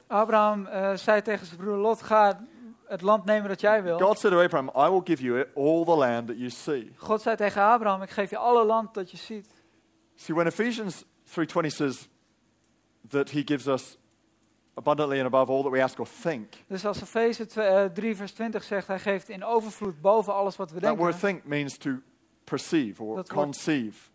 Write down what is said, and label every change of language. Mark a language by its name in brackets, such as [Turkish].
[Dutch] Abraham zei tegen zijn broer Lot, ga het land nemen dat jij wil. [English] God said to Abraham, I will give you it, all the land that you see. [Dutch] God zei tegen Abraham, ik geef je alle land dat je ziet. [English] See, when Ephesians 3:20 says that he gives us abundantly and above all that we ask or think. [Dutch] Dus als Efeze 3 vers 20 zegt, hij geeft in overvloed boven alles wat we denken. [English] That word think means to perceive or conceive.